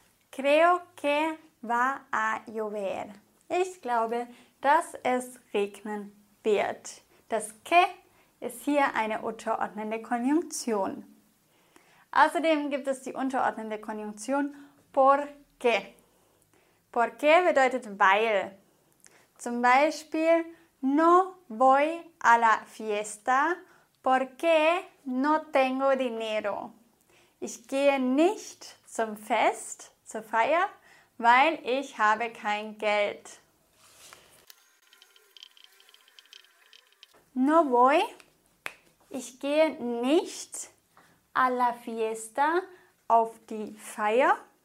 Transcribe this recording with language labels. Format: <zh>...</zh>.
<es>Creo que va a llover.</es> <de>Ich glaube, dass es regnen wird. Das que ist hier eine unterordnende Konjunktion. Außerdem gibt es die unterordnende Konjunktion porque. Porque bedeutet weil. Zum Beispiel,</de> <es>no voy a la fiesta porque no tengo dinero.</es> <de>Ich gehe nicht zum Fest, zur Feier, weil ich habe kein Geld.</de> <es>No voy,</es> <de>ich gehe nicht</de> <es>a la fiesta,</es> <de>auf die Feier.</de>